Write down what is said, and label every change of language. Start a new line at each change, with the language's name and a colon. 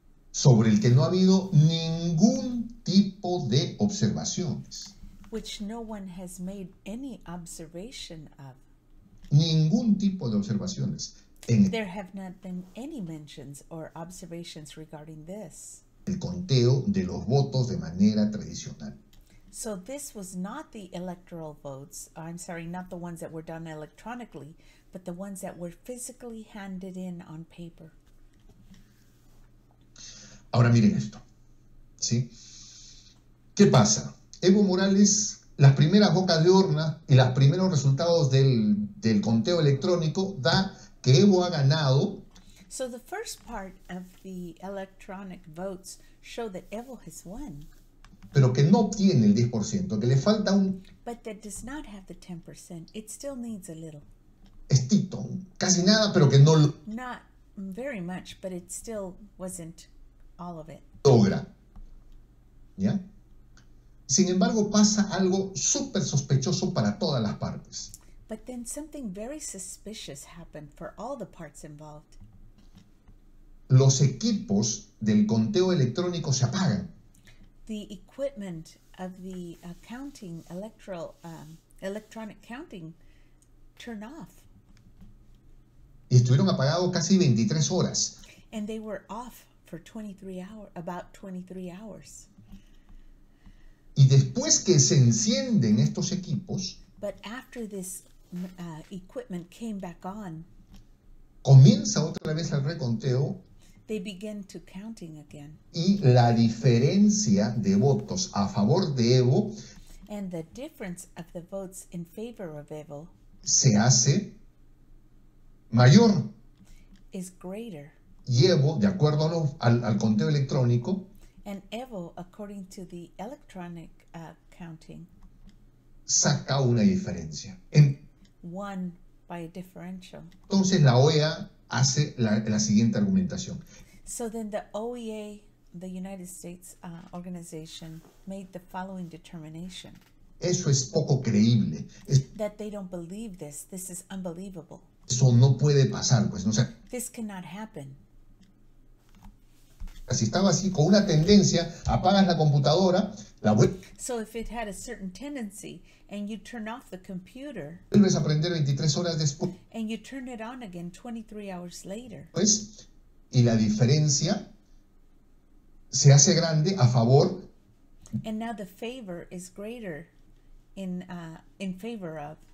Spanish: Sobre el que no ha habido ningún tipo de observaciones.
English: Which no one has made any observation of.
Spanish: Ningún tipo de observaciones.
English: There have not been any mentions or observations regarding this.
Spanish: El conteo de los votos de manera tradicional.
English: So this was not the electoral votes, I'm sorry, not the ones that were done electronically, but the ones that were physically handed in on paper.
Spanish: Ahora miren esto, ¿sí? ¿Qué pasa? Evo Morales, las primeras bocas de urna y los primeros resultados del conteo electrónico da que Evo ha ganado.
English: So the first part of the electronic votes show that Evo has won.
Spanish: Pero que no tiene el 10%, que le falta un.
English: But that does not have the 10%. It still needs a little.
Spanish: Es tito, casi nada, pero que no lo.
English: Not very much, but it still wasn't all of it.
Spanish: Logra. ¿Ya? Sin embargo, pasa algo súper sospechoso para todas las partes.
English: But then something very suspicious happened for all the parts involved.
Spanish: Los equipos del conteo electrónico se apagan.
English: The equipment of the counting, electoral, electronic counting, turn off.
Spanish: Y estuvieron apagados casi 23 horas.
English: And they were off for 23 hours, about 23 hours.
Spanish: Y después que se encienden estos equipos,
English: but after this equipment came back on,
Spanish: comienza otra vez el reconteo.
English: They begin to counting again.
Spanish: Y la diferencia de votos a favor de Evo.
English: And the difference of the votes in favor of Evo.
Spanish: Se hace mayor.
English: Is greater.
Spanish: Y Evo, de acuerdo al conteo electrónico.
English: And Evo, according to the electronic counting.
Spanish: Saca una diferencia. En,
English: won by a differential.
Spanish: Entonces la OEA hace la siguiente argumentación.
English: So then the OEA, the United States organization, made the following determination.
Spanish: Eso es poco creíble.
English: That they don't believe this. This is unbelievable.
Spanish: Eso no puede pasar, pues. No, o sea,
English: this cannot happen.
Spanish: Si estaba así, con una tendencia, apagas la computadora, la vuelves.
English: So if it had a certain tendency and you turn off the computer, vuelves a prender 23 horas después, and you turn it on again 23 hours later,
Spanish: pues, y la diferencia se hace grande a favor,
English: and now the favor is greater in favor of,